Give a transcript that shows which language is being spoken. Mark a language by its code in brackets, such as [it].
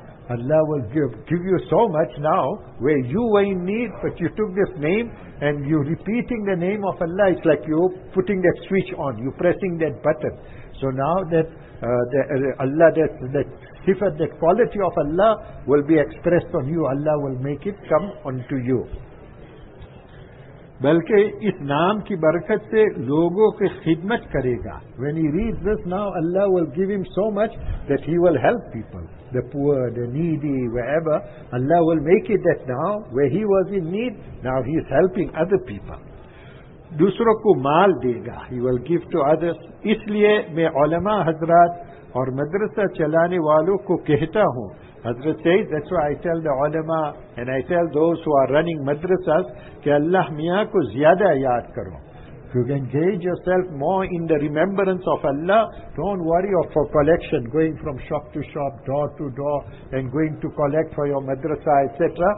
[en] Allah will give you so much now, where you were in need, but you took this name, and you repeating the name of Allah, it's like you putting that switch on, you pressing that button. So now that Allah, that sifat, that quality of Allah will be expressed on you, Allah will make it come unto you. [ur] بلکہ اس نام کی برکت سے لوگوں کی خدمت کرے گا. [en] When he reads this now, Allah will give him so much that he will help people, the poor, the needy, wherever. Allah will make it that now, where he was in need, now he is helping other people. [ur] دوسروں کو مال دے گا. [en] He will give to others. [ur] اس لیے میں علماء حضرات اور مدرسہ چلانے والوں کو کہتا ہوں. [en] Hazrat says, that's why I tell the ulama and I tell those who are running madrasas, [ur] ke Allah miyan ko zyada yaad karo. [en] You can engage yourself more in the remembrance of Allah. Don't worry for collection, going from shop to shop, door to door, and going to collect for your madrasa, etc.